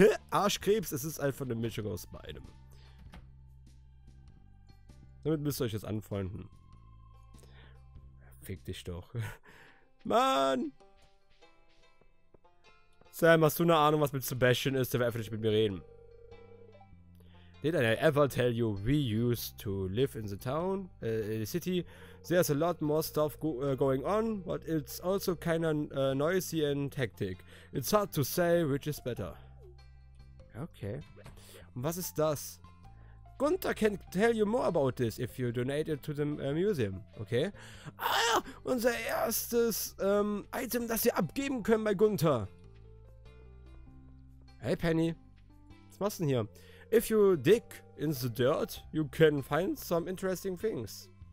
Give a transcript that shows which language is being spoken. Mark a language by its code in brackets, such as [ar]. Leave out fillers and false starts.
[de] Arschkrebs, es ist einfach eine Mischung aus beidem. Damit müsst ihr euch jetzt anfreunden. Fick dich doch. Mann! Sam, hast du eine Ahnung, was mit Sebastian ist? Der will einfach nicht mit mir reden. [en] Did I ever tell you we used to live in the town? In the city? There's a lot more stuff going on, but it's also kind of noisy and hectic. It's hard to say which is better. Okay. [de] Und was ist das? [en] Gunther can tell you more about this if you donate it to the museum. Okay. [de] Ah, unser erstes Item, das wir abgeben können bei Gunther. Hey Penny, was machst du denn hier? [en] If you dig in the dirt, you can find some interesting things.